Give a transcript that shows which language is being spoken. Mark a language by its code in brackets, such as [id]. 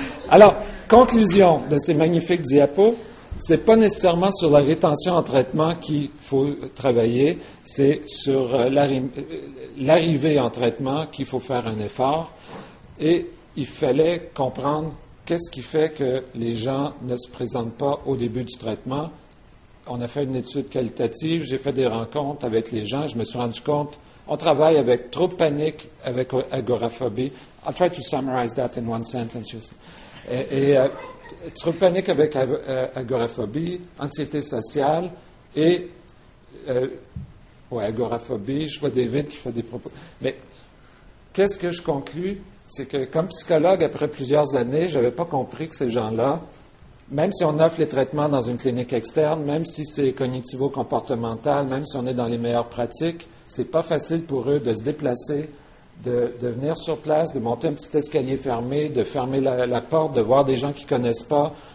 [fr] Alors, conclusion de ces magnifiques diapos, c'est pas nécessairement sur la rétention en traitement qu'il faut travailler, c'est sur l'arrivée en traitement qu'il faut faire un effort. Et il fallait comprendre qu'est-ce qui fait que les gens ne se présentent pas au début du traitement. On a fait une étude qualitative, j'ai fait des rencontres avec les gens, je me suis rendu compte. On travaille avec trop de panique, avec agoraphobie. [en] I'll try to summarize that in one sentence, you see. [fr] Trop de panique avec agoraphobie, anxiété sociale et... agoraphobie, je vois David qui fait des propos. Mais qu'est-ce que je conclue? C'est que comme psychologue, après plusieurs années, je n'avais pas compris que ces gens-là, même si on offre les traitements dans une clinique externe, même si c'est cognitivo-comportemental, même si on est dans les meilleures pratiques, c'est pas facile pour eux de se déplacer, de venir sur place, de monter un petit escalier fermé, de fermer la porte, de voir des gens qu'ils connaissent pas.